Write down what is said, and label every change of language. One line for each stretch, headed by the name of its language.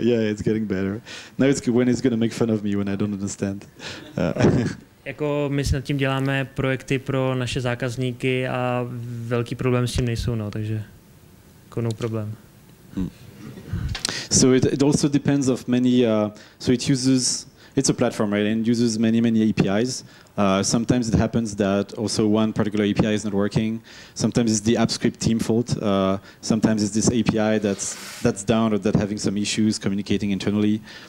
English: Yeah, it's getting better. No, it's when he's gonna make fun of me when I don't understand.
Czech: Jako my s tím děláme projekty pro naše zákazníky a velký problém s tím nejsou, no, takže...
English: Jako no problem. So it also depends of many, so it uses, it's a platform, right, and uses many, many APIs. Sometimes it happens that also one particular API is not working. Sometimes it's the AppScript team fault. Sometimes it's this API that's down or that having some issues communicating internally.